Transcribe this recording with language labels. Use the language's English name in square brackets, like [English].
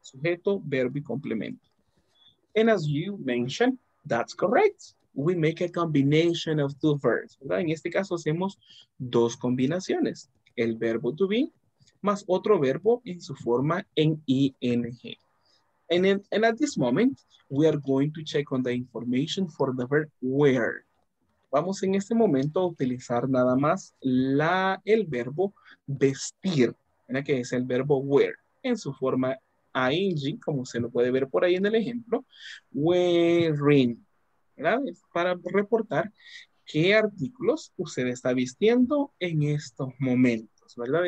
[Spanish] Sujeto, verbo y complemento. [English] And as you mentioned, that's correct. We make a combination of two verbs, [Spanish] ¿verdad? En este caso hacemos dos combinaciones. El verbo to be más otro verbo en su forma en ing. [English] And at this moment, we are going to check on the information for the verb where. [Spanish] Vamos en este momento a utilizar nada más el verbo vestir, ¿verdad? Que es el verbo wear en su forma ing, como se lo puede ver por ahí en el ejemplo, wearing, ¿verdad? Es para reportar qué artículos usted está vistiendo en estos momentos, ¿verdad?